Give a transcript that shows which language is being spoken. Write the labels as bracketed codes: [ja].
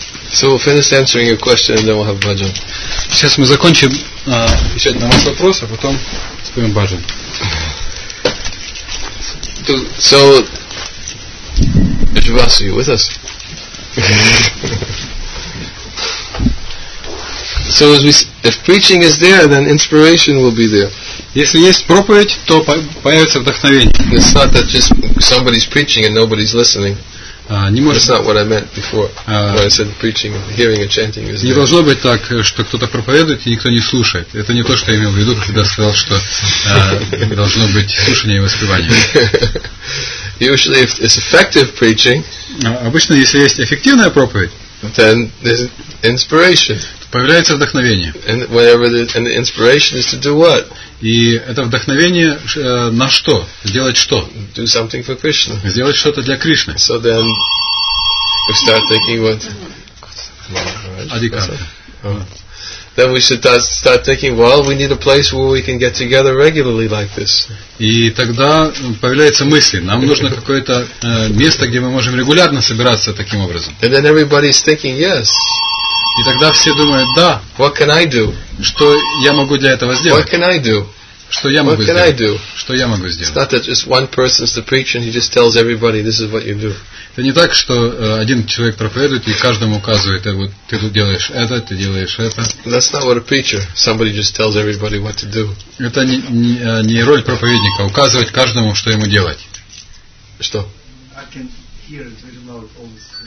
[en] So we'll finish answering your question and then we'll have bhajan. [ru] Сейчас мы закончим отвечать на ваш вопрос, а потом споем бхаджан. [en] So, Vishwas, are you with us? So as we, if preaching is there, then inspiration will be there. [ru] Если есть проповедь, то появится вдохновение. [en] It's not that just somebody's preaching and nobody's listening. That's not what I meant before. When I said preaching, hearing and chanting is. [ru] Не должно быть так, что кто-то проповедует и никто не слушает. Это не то, что я имел в виду, когда сказал, что должно быть слушание и воспевание. [en] Usually, if it's effective preaching. [ru] Обычно, если есть эффективная проповедь. [en] Then there's inspiration. [ru] Появляется вдохновение. [en] And whatever the, and the inspiration is to do what? [ru] И это вдохновение на что? Делать что? [en] Do something for Krishna. [ru] Сделать что-то для Кришны. [en] So then we start thinking what? Adhikara. Then we should start thinking, well, we need a place where we can get together regularly like this. [ru] И тогда появляется мысль, нам нужно какое-то место, где мы можем регулярно собираться таким образом. [en] And then everybody's thinking, yes. [ru] И тогда все думают, да. [en] What can I do? [ru] Что я могу для этого сделать? [en] What can I do? [ru] Что я могу сделать? [en] What can I do? [ru] Что я могу сделать? [en] It's not that just one person is the preacher and he just tells everybody, this is what you do. [ru] Это не так, что один человек проповедует и каждому указывает, вот ты тут делаешь это, ты делаешь это. [en] That's not what a preacher. Somebody just tells everybody what to do. [ru] Это не роль проповедника указывать каждому, что ему делать. Что? [en] I can hear it very loud all this.